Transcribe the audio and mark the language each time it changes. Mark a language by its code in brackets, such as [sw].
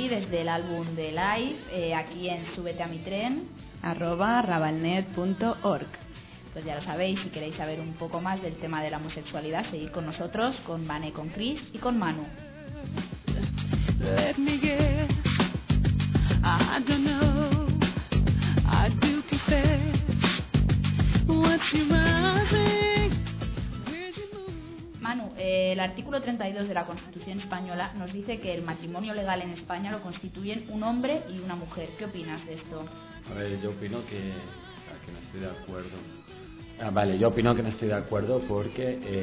[es] del álbum de Life, aquí en Súbete a mi tren, @rabalnet.org. Pues ya lo sabéis, si queréis saber un poco más del tema de la homosexualidad, seguid con nosotros, con Vane, con Chris y con Manu. [en] Let me guess, I don't know, I do confess, what you might think. [es] Manu, el artículo 32 de la Constitución Española nos dice que el matrimonio legal en España lo constituyen un hombre y una mujer. ¿Qué opinas de esto? A ver, yo opino que no estoy de acuerdo. Yo opino que no estoy de acuerdo porque...